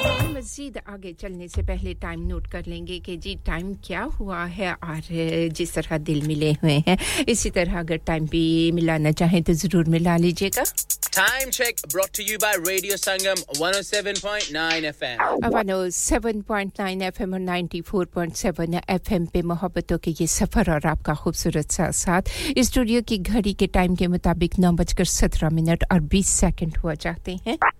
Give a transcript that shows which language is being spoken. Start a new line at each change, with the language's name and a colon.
Urdu: مزید آگے چلنے سے پہلے ٹائم نوٹ کر لیں گے کہ جی ٹائم کیا ہوا ہے، اور جس طرح دل ملے ہوئے ہیں اسی طرح اگر ٹائم بھی ملانا چاہیں تو ضرور ملا لیجئے گا.
English: Time check brought to you by Radio Sangam 107.9 FM.
Urdu: 107.9 FM اور 94.7 FM پہ محبتوں کے یہ سفر اور آپ کا خوبصورت سا ساتھ. اسٹوڈیو کی گھڑی کے ٹائم کے مطابق 9:17:20 ہوا چاہتے ہیں.